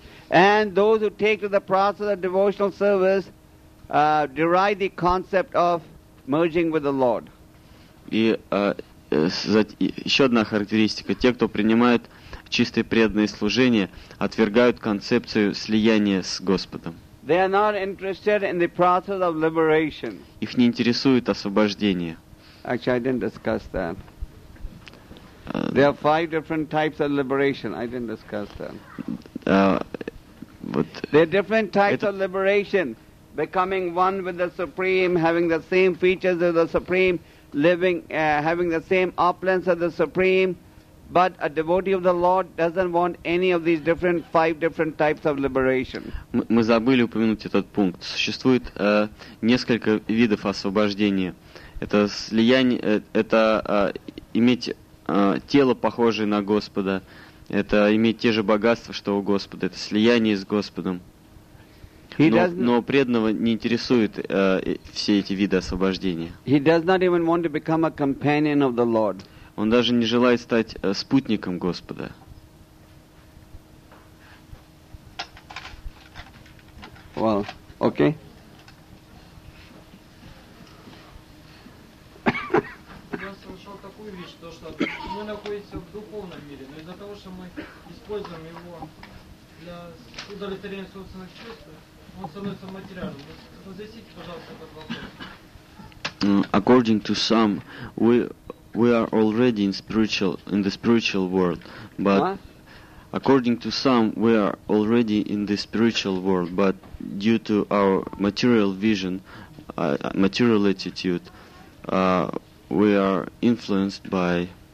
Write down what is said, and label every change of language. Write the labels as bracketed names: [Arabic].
[English] And those who take to the process of devotional service derive the concept of merging with the Lord. [Russian] И еще одна характеристика. Те, кто принимают чистое преданное служение, отвергают концепцию слияния с Господом. [English] They are not interested in the process of liberation. [Russian] Их не интересует освобождение. [English] Actually, I didn't discuss that. There are five different types of liberation. I didn't discuss that. There are different types of liberation. Becoming one with the Supreme, having the same features as the Supreme, living, having the same opulence as the Supreme. But a devotee of the Lord doesn't want any of these different five different types of liberation. [Russian] Мы забыли упомянуть этот пункт. Существует несколько видов освобождения. Это слияние, это иметь тело, похожее на Господа. Это иметь те же богатства, что у Господа. Это слияние с Господом. Но преданного не интересуют все эти виды освобождения. [English] He does not even want to become a companion of the Lord. [Russian] Он даже не желает стать спутником Господа. [English] Well, okay. [Russian] Мы находимся в духовном мире, но из-за того, что мы используем его для удовлетворения собственных чувств, он становится материальным. Разъясните, пожалуйста, этот вопрос. [English] According to some, we are already in the spiritual world, but what? According to some, we are already in the spiritual world, but due to our material vision, material attitude, we are influenced by.